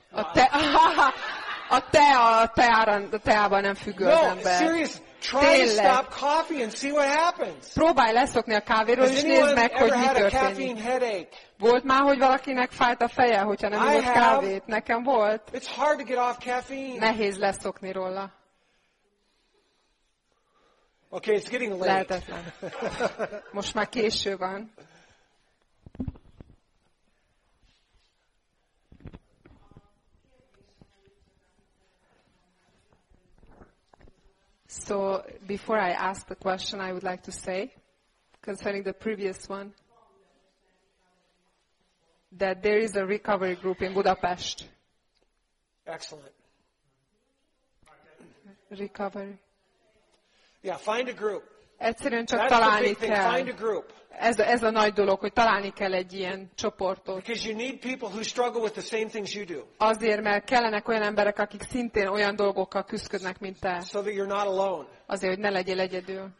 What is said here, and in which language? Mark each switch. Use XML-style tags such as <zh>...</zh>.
<hu>A teában nem függő az ember.</hu> <en>No, serious. Try to stop coffee and see what happens.</en> <hu>Próbálj leszokni a kávéról, és nézd meg, hogy mi történik. Volt már, hogy valakinek fájt a feje, hogyha nem ivott kávét? Nekem volt.</hu> <en>It's hard to get off caffeine.</en> <hu>Nehéz leszokni róla.</hu> <en>Okay, it's getting late.</en> <hu>Lehetetlen. Most már késő van.</hu> <en>So before I ask the question, I would like to say, concerning the previous one, that there is a recovery group in Budapest. Excellent. Recovery. Yeah, find a group.</en> <hu>Egyszerűen csak</hu> <en>that's</en> <hu>találni kell.</hu> <en>Find a group.</en> <hu>Ez a nagy dolog, hogy találni kell egy ilyen csoportot.</hu> <en>Because you need people who struggle with the same things you do.</en> <hu>Azért, mert kellenek olyan emberek, akik szintén olyan dolgokkal küzdködnek, mint te.</hu> <en>So that you're not alone.</en> <hu>Azért, hogy ne legyél egyedül.</hu>